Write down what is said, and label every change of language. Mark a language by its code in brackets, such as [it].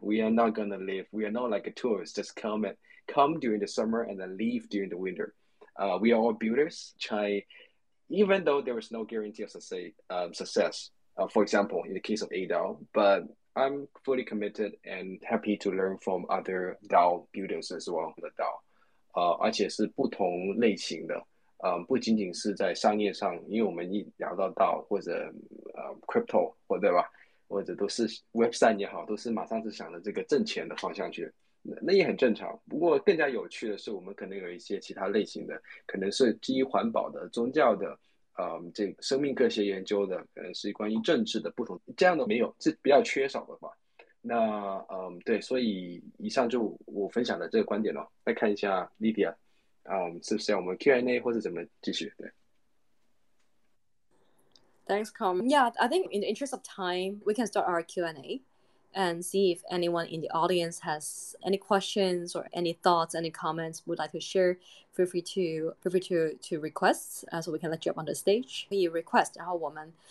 [en] We are not going to live. We are not like a tourist, just come during the summer and then leave during the winter. We are all builders. Even though there is no guarantee of success, for example, in the case of ADAO, but I'm fully committed and happy to learn from other DAO builders as well, the DAO. [zh] 而且是不同类型的。不仅仅是在商业上, 因为我们一聊到DAO 或者 crypto 或对吧, 或者都是 website也好, 都是马上是想着这个挣钱的方向去, 那也很正常, 不过更加有趣的是, 我们可能有一些其他类型的, 可能是基于环保的, 宗教的, 这个生命科学研究的, 可能是关于政治的, 不同, 这样的没有, 是比较缺少的吧, 那, 对, 所以以上就我分享的这个观点咯, 再看一下Lydia, 是不是我们Q&A或者怎么继续？对。 [en] Thanks, Carm. Yeah, I think in the interest of time, we can start our Q&A and see if anyone in the audience has any questions or any thoughts, any comments would like to share. Feel free to request so we can let you up on the stage. You request, [zh] 然后我们,